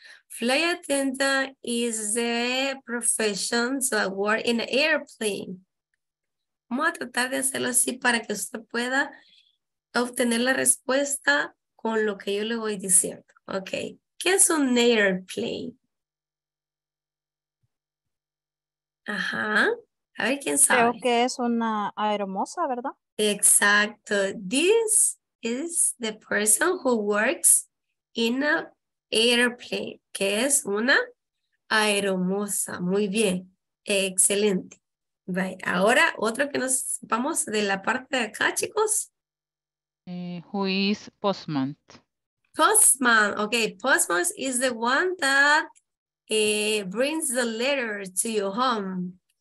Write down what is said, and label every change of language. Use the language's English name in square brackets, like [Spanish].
[English] Flight attendant is the profession that work in an airplane. [Spanish] Vamos a tratar de hacerlo así para que usted pueda obtener la respuesta con lo que yo le voy diciendo. Ok. ¿Qué es un airplane? Ajá. A ver quién sabe. Creo que es una aeromoza, ¿verdad? Exacto. [English] This is the person who works in an airplane. [Spanish] ¿Qué es una aeromoza? Muy bien. Excelente. Right. Ahora, otro que nos vamos de la parte de acá, chicos. [English] Who is postman? Postman, okay. Postman is the one that brings the letter to your home.